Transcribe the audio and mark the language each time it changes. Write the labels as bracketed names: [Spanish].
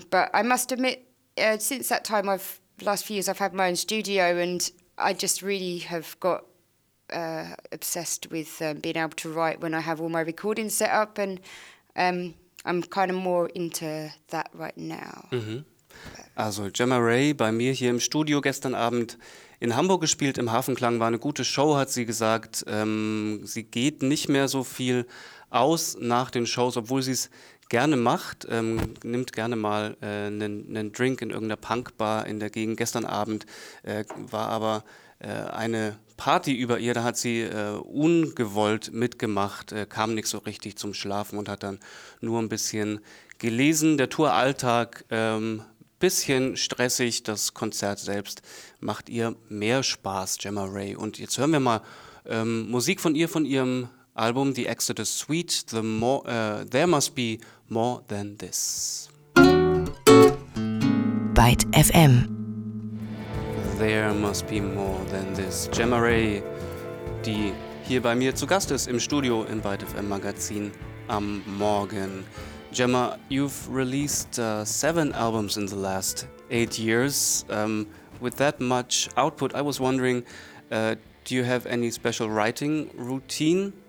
[English] But I must admit, since that time, last few years, I've had my own studio, and I just really have got obsessed with being able to write when I have all my recordings set up, and I'm kind of more into that right now. Mm-hmm. [German] Also Gemma Ray bei mir hier im Studio gestern Abend in Hamburg gespielt, im Hafenklang, war eine gute Show, hat sie gesagt. Sie geht nicht mehr so viel aus nach den Shows, obwohl sie es gerne macht, nimmt gerne mal einen Drink in irgendeiner Punkbar in der Gegend. Gestern Abend war aber eine Party über ihr, da hat sie ungewollt mitgemacht, kam nicht so richtig zum Schlafen und hat dann nur ein bisschen gelesen. Der Touralltag, bisschen stressig, das Konzert selbst macht ihr mehr Spaß, Gemma Ray. Und jetzt hören wir mal Musik von ihr, von ihrem Album The Exodus Suite, There Must Be More Than This. Byte FM. There Must Be More Than This. Gemma Ray, die hier bei mir zu Gast ist im Studio im Byte FM Magazin am Morgen. [English] Gemma, you've released 7 albums in the last 8 years. With that much output, I was wondering, do you have any special writing routine?